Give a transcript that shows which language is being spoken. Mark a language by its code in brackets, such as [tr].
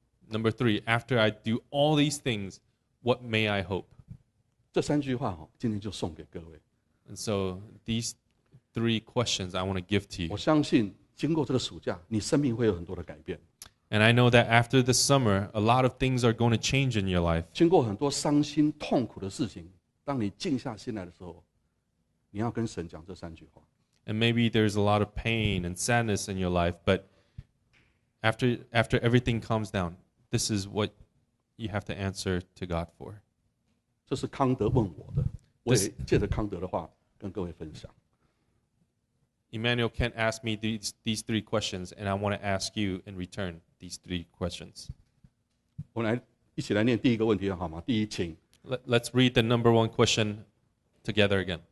[en] number three, after I do all these things, what may I hope? [zh] 这三句话, [en] and so these three questions I want to give to you. [zh] 我相信经过这个暑假, [en] and I know that after the summer, a lot of things are going to change in your life. [zh] 经过很多伤心痛苦的事情, 当你静下心来的时候, 你要跟神讲这三句话。 [en] And maybe there's a lot of pain and sadness in your life, but after everything calms down, this is what you have to answer to God for. [zh] 这是康德问我的, 我也借着康德的话跟各位分享。 [en] Emmanuel Kent asked me these three questions, and I want to ask you in return these three questions. [zh] 我们来一起来念第一个问题好吗? 第一请, [en] Let's read the number one question together again.